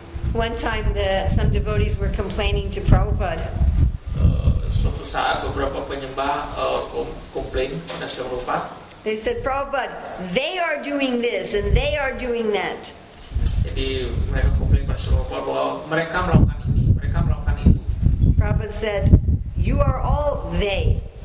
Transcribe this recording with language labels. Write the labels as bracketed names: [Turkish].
[English] One time some devotees were complaining to Prabhupada. [Indonesian] Suatu saat beberapa penyembah komplain pada Sri Prabhupada. [English] They said, Prabhupada, they are doing this and they are doing that. [Indonesian] Jadi mereka komplain pada Sri Prabhupada bahwa mereka melakukan ini, mereka melakukan itu. [English] Prabhupada said, you are all they.